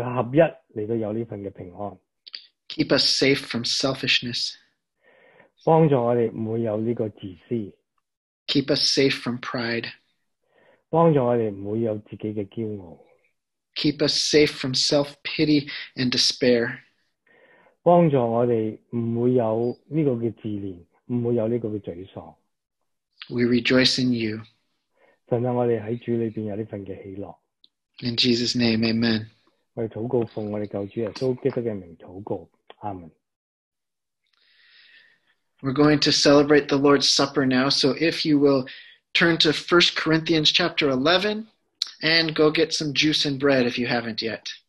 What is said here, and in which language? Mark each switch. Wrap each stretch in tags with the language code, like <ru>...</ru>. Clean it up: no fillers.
<zh>就是为了我们的合一,为了我们的合一,来有这份的平安。</zh> <en>Keep us safe from selfishness.</en> <zh>帮助我们不会有这个自私。</zh> <en>Keep us safe from pride.</en> <zh>帮助我们不会有自己的骄傲。</zh> <en>Keep us safe from self-pity and despair.</en> <zh>帮助我们不会有这个自怜,不会有这个沮丧。</zh> <en>We rejoice in you.</en> <zh>神啊,我们在主里面有这份的喜乐。</zh> <en>In Jesus' name, amen.</en> <zh>我们祷告奉我们救主耶稣基督的名祷告,阿们。</zh> <en>We're going to celebrate the Lord's Supper now, so if you will turn to 1 Corinthians chapter 11 and go get some juice and bread if you haven't yet.</en>